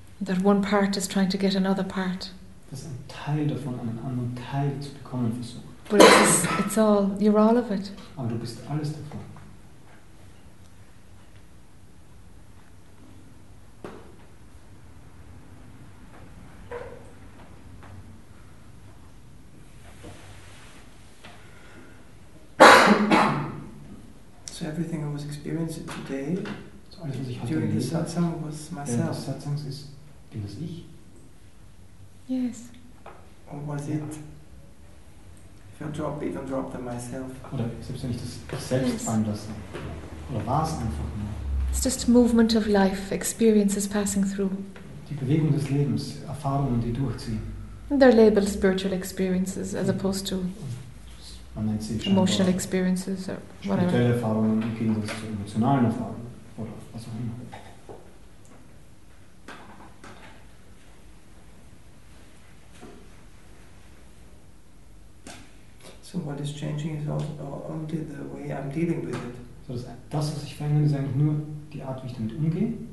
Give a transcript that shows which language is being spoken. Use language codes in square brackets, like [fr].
[en] That one part is trying to get another part. [de] Dass ein Teil davon einen anderen Teil zu bekommen versucht. [en] But it's all, you're all of it. [de] Aber du bist alles davon. [en] Everything I was experiencing today, [de] so alles, was ich [en] during [de] hatte [en] the satsang, was myself. [de] Während des Satsangs ist, bin das ich? [en] Yes. Or was it? If I drop it, and drop the myself. [de] Oder selbst wenn ich das selbst fallen lasse. Oder war es einfach nur? [en] It's just movement of life, experiences passing through. [de] Die Bewegung des Lebens, Erfahrungen, die durchziehen. [en] And they're labeled spiritual experiences, as opposed to. [de] Man nennt sie [en] emotional experiences or whatever. [de] Spirituelle Erfahrungen im Gegensatz zu emotionalen Erfahrungen oder was auch immer. [en] So what is changing is also only the way I'm dealing with it. [de] So das, was ich verändere, ist eigentlich nur die Art, wie ich damit umgehe?